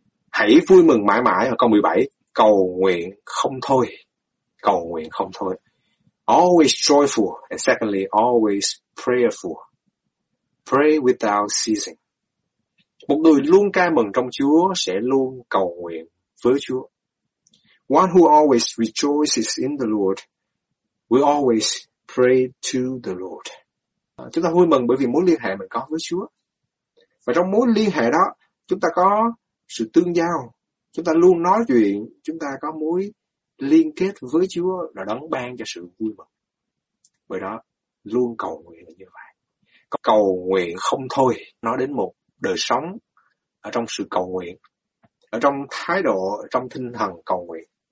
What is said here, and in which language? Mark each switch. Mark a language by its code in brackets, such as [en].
[vi] Hãy vui mừng mãi mãi. Ở câu 17. Cầu nguyện không thôi. Cầu nguyện không thôi. [en] Always joyful. And secondly, always prayerful. Pray without ceasing. [vi] Một người luôn ca mừng trong Chúa sẽ luôn cầu nguyện với Chúa. [en] One who always rejoices in the Lord will always pray to the Lord. [vi] Chúng ta vui mừng bởi vì mối liên hệ mình có với Chúa. Và trong mối liên hệ đó, chúng ta có sự tương giao. Chúng ta luôn nói chuyện, chúng ta có mối liên kết với Chúa là đấng ban cho sự vui mừng. Bởi đó, luôn cầu nguyện như vậy. Cầu nguyện không thôi, nói đến một đời sống ở trong sự cầu nguyện, ở trong thái độ, trong tinh thần cầu nguyện.